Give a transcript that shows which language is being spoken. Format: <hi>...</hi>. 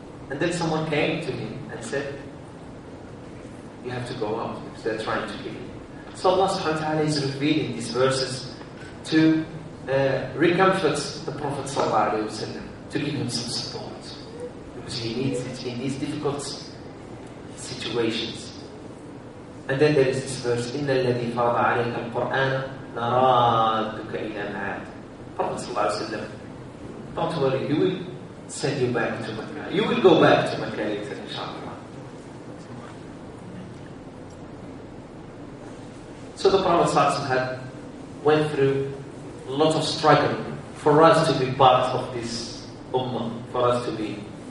<en>And then someone came to him and said, you have to go out because they're trying to kill him. So Allah subhanahu wa ta'ala is revealing these verses to recomforts the Prophet ﷺ, to give him some support. Because he needs it in these difficult situations.</en> <ar>And then there is this verse, إِنَّ الَّذِي فَرَضَ عَلَيْكَ الْقُرْآنَ نَرَادُكَ إِلَى مَعَادٍ.</ar> <en>Prophet ﷺ, don't worry, he will send you back to Mecca. You will go back to Mecca later, inshallah. So the Prophet ﷺ had went through a lot of struggle for us to be part of this ummah, for us to be</en>